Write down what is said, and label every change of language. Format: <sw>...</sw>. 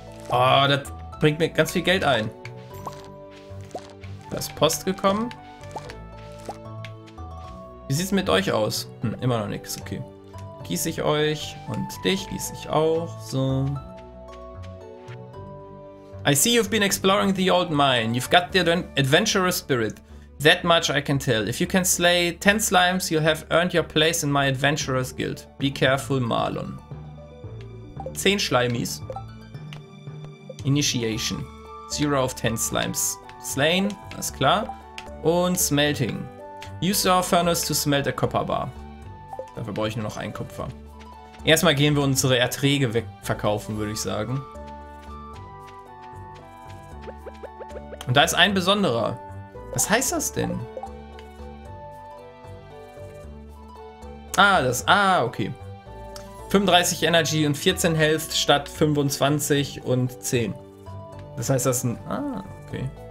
<de>Ah, das bringt mir ganz viel Geld ein. Da ist Post gekommen. Wie sieht's mit euch aus? Immer noch nichts. Okay. Gieße ich euch und dich gieße ich auch. So.</de> <en>I see you've been exploring the old mine. You've got the adventurous spirit. That much I can tell. If you can slay 10 slimes, you'll have earned your place in my adventurous guild. Be careful,</en> <de>Marlon. 10 Schleimis. Initiation.</de> <en>0 of 10 slimes slain.</en> <de>Alles klar. Und</de> <en>smelting. Use your furnace to smelt a copper bar.</en> <de>Dafür brauche ich nur noch einen Kupfer. Erstmal gehen wir unsere Erträge wegverkaufen, würde ich sagen. Und da ist ein besonderer. Was heißt das denn? Ah, das. Ah, okay. 35 Energy und 14 Health statt 25 und 10. Das heißt, das ist ein. Ah, okay.</de>